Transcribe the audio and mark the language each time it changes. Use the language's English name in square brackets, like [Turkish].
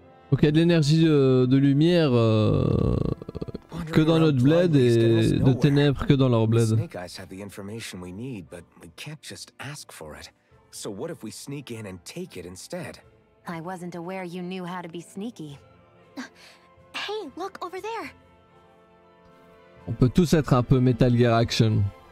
[French] Donc il y a de l'énergie de lumière que dans notre bled et de ténèbres que dans leur bled. [English] The Snake Eyes have the information we need, but we can't just ask for it. So what if we sneak in and take it instead? I wasn't aware you knew how to be sneaky. Hey, look over there. [French] On peut tous être un peu Metal Gear Action.